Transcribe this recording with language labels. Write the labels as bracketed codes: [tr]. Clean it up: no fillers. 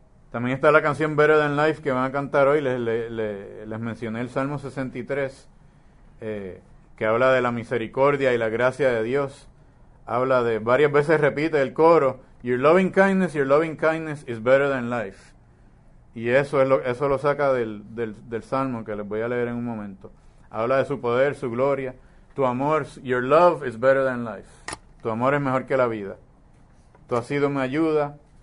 [es] También está la canción Better Than Life que van a cantar hoy. Les mencioné el Salmo 63, que habla de la misericordia y la gracia de Dios. Habla de, varias veces repite el coro, [en] your loving kindness is better than life. [es] Y eso lo saca del Salmo que les voy a leer en un momento. Habla de su poder, su gloria. Tu amor, [en] your love is better than life. [es] Tu amor es mejor que la vida. Tú has sido mi ayuda.